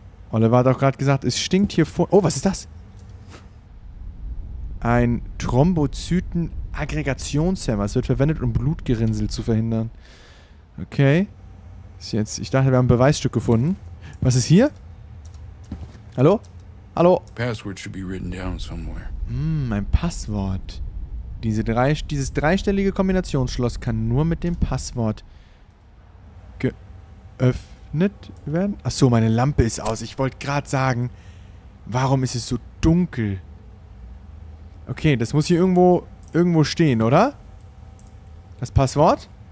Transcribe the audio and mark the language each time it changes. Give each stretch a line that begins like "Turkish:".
German: Oliver hat auch gerade gesagt, es stinkt hier vor... Oh, was ist das? Ein Thrombozyten-Aggregationshemmer. Es wird verwendet, um Blutgerinnsel zu verhindern. Okay. Ist jetzt... Ich dachte, wir haben ein Beweisstück gefunden. Was ist hier? Hallo?
English: Password should be written down somewhere.
German: Ein Passwort. Dieses dreistellige Kombinationsschloss kann nur mit dem Passwort geöffnet werden. Achso, meine Lampe ist aus. Ich wollte gerade sagen, warum ist es so dunkel? Okay, das muss hier irgendwo stehen, oder? Das Passwort?